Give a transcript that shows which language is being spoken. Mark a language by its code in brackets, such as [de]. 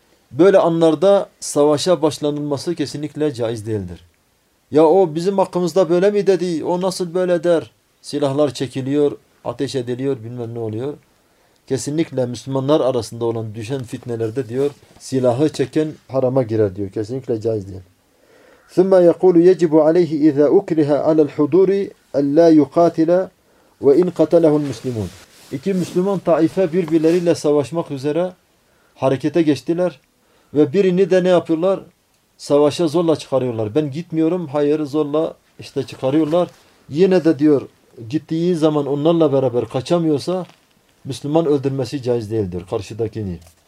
[tr] Böyle anlarda savaşa başlanılması kesinlikle caiz değildir. Ya o bizim hakkımızda böyle mi dedi? O nasıl böyle der? Silahlar çekiliyor, ateş ediliyor, bilmem ne oluyor. Kesinlikle Müslümanlar arasında olan düşen fitnelerde diyor, silahı çeken harama girer diyor. Kesinlikle caiz değil. [ar] ثم يقول يجب عليه إذا أكره على الحضور ألا يقاتل وإن قتله المسلمون. [tr] İki Müslüman taife birbirleriyle savaşmak üzere harekete geçtiler ve birini de ne yapıyorlar? Savaşa zorla çıkarıyorlar. Ben gitmiyorum. Hayır, zorla işte çıkarıyorlar. Yine de diyor gittiği zaman onlarla beraber kaçamıyorsa Müslüman öldürmesi caiz değildir karşıdakini.